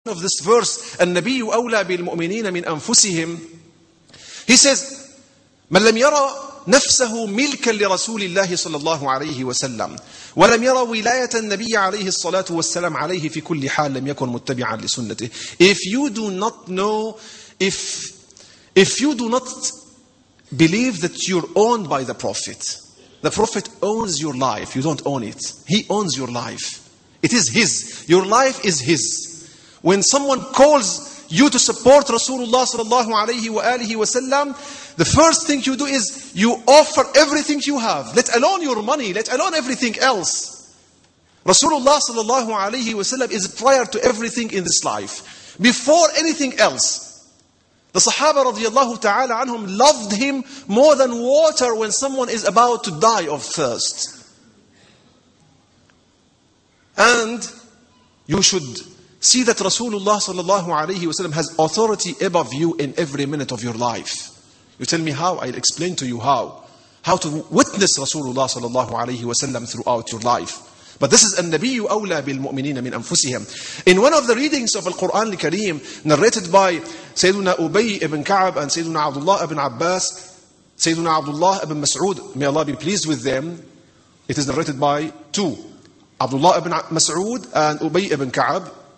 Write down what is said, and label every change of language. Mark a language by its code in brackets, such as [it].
[en] of this verse, [ar] النبي أولى بالمؤمنين من أنفسهم. [en] He says, [ar] من لم يرى نفسه ملكا لرسول الله صلى الله عليه وسلم ولم يرى ولاية النبي عليه الصلاة والسلام عليه في كل حال لم يكن متبعا لسنته. [en] If you do not know, if you do not believe that you're owned by the Prophet owns your life. You don't own it. He owns your life. It is his. Your life is his. When someone calls you to support Rasulullah sallallahu alayhi wa alihi wa sallam, the first thing you do is you offer everything you have, let alone your money, let alone everything else. Rasulullah sallallahu alayhi wa sallam is prior to everything in this life, before anything else. The Sahaba radiyallahu ta'ala anhum loved him more than water when someone is about to die of thirst. And you should see that Rasulullah sallallahu alayhi wa sallam has authority above you in every minute of your life. You tell me how, I'll explain to you how. How to witness Rasulullah sallallahu alayhi wa sallam throughout your life. But this is [ar] النبي أولى بالمؤمنين من أنفسهم. [en] In one of the readings of the Quran al-Kareem, narrated by Sayyiduna Ubay ibn Ka'ab and Sayyiduna Abdullah ibn Abbas, Sayyiduna Abdullah ibn Mas'ud, may Allah be pleased with them, it is narrated by two, Abdullah ibn Mas'ud and Ubay ibn Ka'ab.